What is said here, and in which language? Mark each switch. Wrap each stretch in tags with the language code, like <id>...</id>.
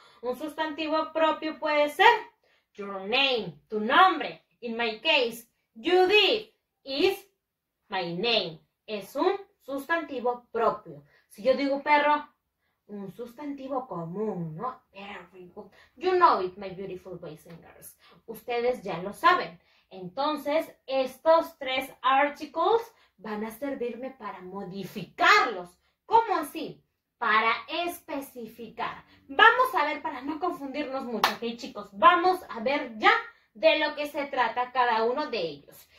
<es>Un sustantivo propio puede ser</es> <en>your name,</en> <es>tu nombre.</es> <en>In my case, Judith is my name.</en> <es>Es un sustantivo propio. Si yo digo perro, un sustantivo común, ¿no?</es> <en>Very good. You know it, my beautiful boys and girls.</en> <es>Ustedes ya lo saben. Entonces, estos tres articles van a servirme para modificarlos. ¿Cómo así? Para especificar. Vamos a ver, para no confundirnos mucho, ¿ok, chicos? Vamos a ver ya de lo que se trata cada uno de ellos.</es>